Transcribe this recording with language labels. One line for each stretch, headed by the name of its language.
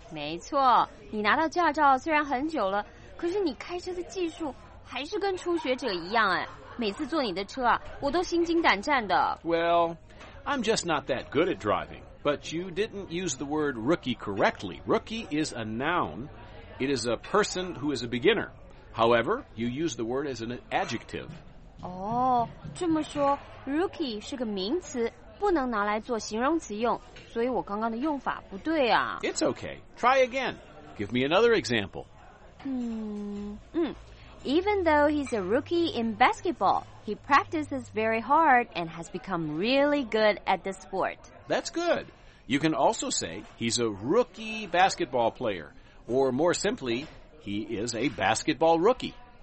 Chinese: 没错，你拿到驾照虽然很久了，可是你开车的技术还是跟初学者一样哎。每次坐你的车啊，我都心惊胆战的。
English: Well, I'm just not that good at driving. But you didn't use the word rookie correctly. Rookie is a noun. It is a person who is a beginner. However, you use the word as an adjective.
Chinese: 这么说 ，rookie 是个名词。不能拿来做形容词用，所以我刚刚的用法不对啊。
English: It's okay. Try again. Give me another example. Even though he's a rookie in basketball, he practices very hard and has become really good at the sport. That's good. You can also say he's a rookie basketball player, or more simply, he is a basketball rookie.